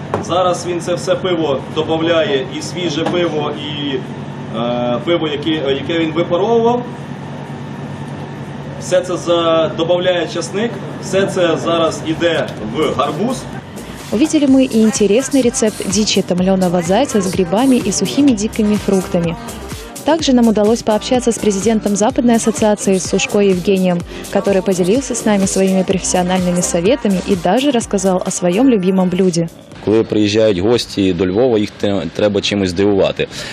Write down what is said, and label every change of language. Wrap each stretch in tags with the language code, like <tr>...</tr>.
<uk>Зараз він це все пиво додає, і свіже пиво, і пиво, яке він випаровував. Все це додає часник, все це зараз йде в гарбуз.</uk> <ru>Увидели мы и интересный рецепт дичи томленого зайца с грибами и сухими дикими фруктами. Также нам удалось пообщаться с президентом Западной ассоциации Сушко Евгением, который поделился с нами своими профессиональными советами и даже рассказал о своем любимом блюде.</ru> <uk>Коли приїжджають гості до Львова, їх треба чимось здивувати.</uk>